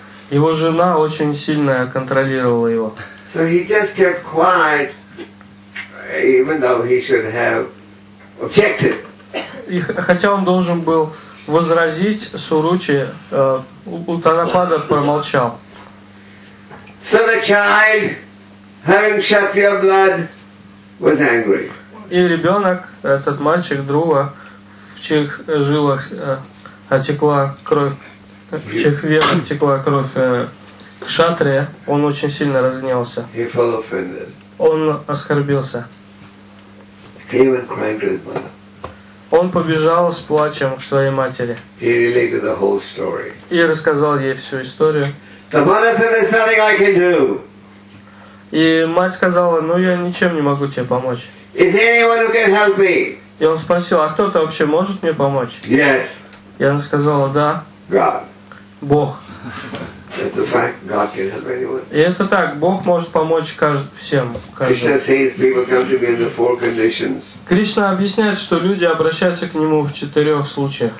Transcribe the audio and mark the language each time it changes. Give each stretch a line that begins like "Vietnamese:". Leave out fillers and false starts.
Russian: Его жена очень сильно контролировала его.
English: So he just kept quiet, even though he should have objected.
Russian: И хотя он должен был возразить Суручи, Уттанапада промолчал.
English: So the child, having Kshatriya blood, was angry.
Russian: И ребенок, этот мальчик Друва, в чьих жилах отекла кровь, в чьих венах текла кровь Кшатрия, он очень сильно разгневался.
English: He felt offended.
Russian: Он оскорбился.
English: He even cried to his mother.
Russian: Он побежал с плачем к своей матери.
English: He related the whole story.
Russian: И рассказал ей всю историю.
English: The mother said, "There's nothing I can do."
Russian: И мать сказала, ну я ничем не могу тебе помочь.
English: Is anyone who can help me?
Russian: И он спросил, а кто-то вообще может мне помочь?
English: Yes.
Russian: И она сказала, да.
English: God.
Russian: Бог.
English: It's a fact, God can help anyone.
Russian: И это так, Бог может помочь всем. Каждому.
English: He says people come to me in the four conditions.
Russian: Кришна объясняет, что люди обращаются к нему в четырех случаях.